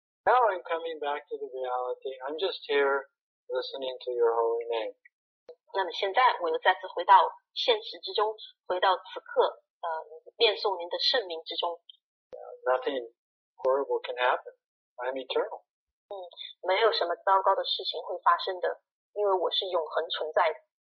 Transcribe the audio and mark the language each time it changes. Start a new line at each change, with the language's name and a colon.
English: Now I'm coming back to the reality. I'm just here listening to your holy name.
Chinese: 那么现在我又再次回到现实之中，回到此刻，念诵您的圣名之中。
English: Nothing horrible can happen. I'm eternal.
Chinese: 没有什么糟糕的事情会发生的，因为我是永恒存在的。